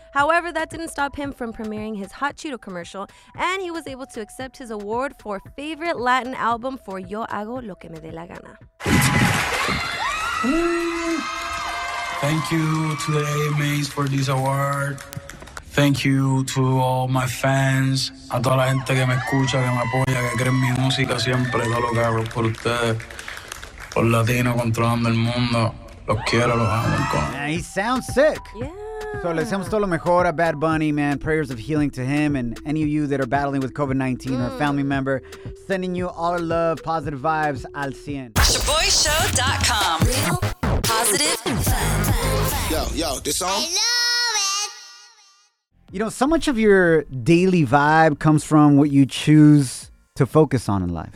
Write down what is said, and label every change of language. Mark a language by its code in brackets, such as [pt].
[en] However, that didn't stop him from premiering his Hot Cheeto commercial, and he was able to accept his award for favorite Latin album for Yo Hago Lo Que Me De La Gana. Thank you to the AMAs for this award. Thank you to all my fans. [es] A toda la gente que me escucha, que me apoya, que cree en mi música siempre. Todo lo que hago por ustedes. Por Latino controlando el mundo. Los quiero, los amo. [en] Yeah, he sounds sick. Yeah. [es] So le deseamos todo lo mejor a Bad Bunny, man. [en] Prayers of healing to him and any of you that are battling with COVID-19 or a family member. Sending you all our love, positive vibes, [es] al 100. [en] ShaboyShow.com. Yo, this song? I love it. You know, so much of your daily vibe comes from what you choose to focus on in life.